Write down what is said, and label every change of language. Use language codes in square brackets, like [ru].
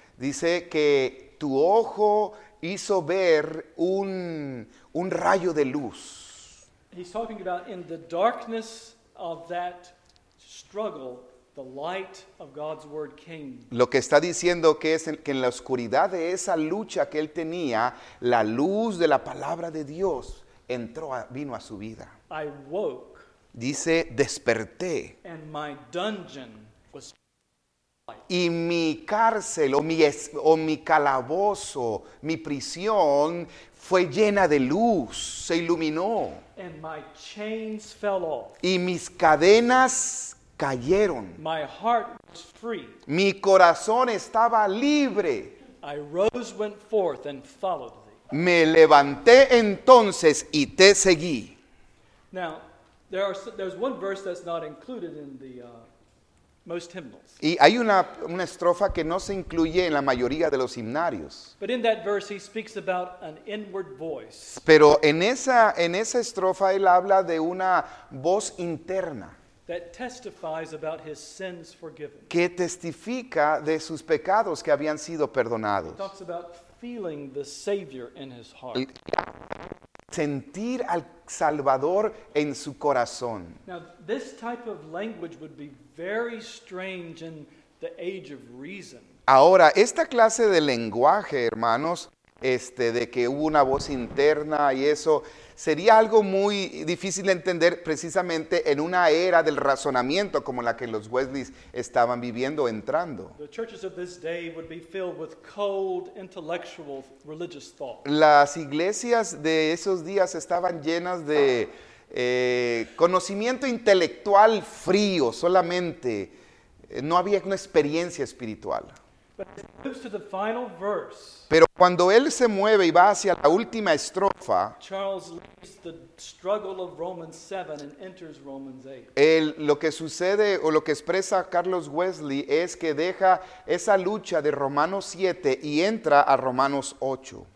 [es] Dice que tu ojo hizo ver un rayo de luz. [en] He's talking about in the darkness of that struggle, the light of God's word came. [es] Lo que está diciendo que es que en la oscuridad de esa lucha que él tenía, la luz de la palabra de Dios vino a su vida. [en] I woke. [es] Dice, desperté. [en] And my dungeon was. [es] Y mi cárcel o mi calabozo, mi prisión fue llena de luz, se iluminó. [en] And my chains fell off. [es] Y mis cadenas cayeron. [en] My heart was free. [es] Mi corazón estaba libre. [en] I rose, went forth and followed thee. [es] Me levanté entonces y te seguí. [en] Now, There's one verse that's not included in the most hymnals. [es] Y hay una estrofa que no se incluye en la mayoría de los himnarios. [en] But in that verse he speaks about an inward voice. [es] Pero en esa estrofa él habla de una voz interna. [en] That testifies about his sins forgiven. [es] Que testifica de sus pecados que habían sido perdonados. [en] He talks about feeling the Savior in his heart. [es] Sentir al Salvador en su corazón. [en] Now, this type of language would be very strange in the age of reason. [es] Ahora, esta clase de lenguaje, hermanos, de que hubo una voz interna y eso, sería algo muy difícil de entender precisamente en una era del razonamiento como la que los Wesleys estaban viviendo, entrando. [en] The churches of this day would be filled with cold, intellectual, religious thought. [es] Las iglesias de esos días estaban llenas de conocimiento intelectual frío solamente. No había una experiencia espiritual. [en] But as he moves to the final verse, [es] pero cuando él se mueve y va hacia la última estrofa, [en] Charles leaves the struggle of Romans 7 and enters Romans 8. [es] Lo que sucede o lo que expresa Carlos Wesley es que deja esa lucha de Romanos 7 y entra a Romanos 8.